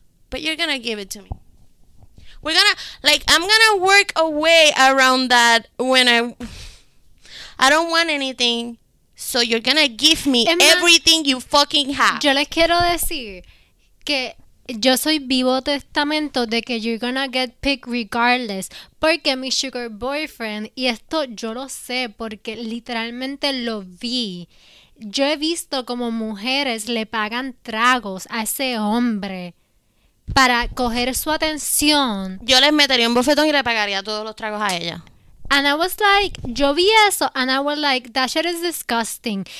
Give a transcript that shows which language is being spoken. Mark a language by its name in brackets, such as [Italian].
[English] But you're gonna give it to me. I'm gonna work a way around that when I don't want anything. So you're gonna give me everything you fucking have. [Spanish] Yo les quiero decir que yo soy vivo testamento de que you're gonna get picked regardless, porque mi sugar boyfriend, y esto yo lo sé porque literalmente lo vi, yo he visto como mujeres le pagan tragos a ese hombre para coger su atención. Yo les metería un bofetón y le pagaría todos los tragos a ella. [English] And I was like, yo vi eso, and I was like, that shit is disgusting.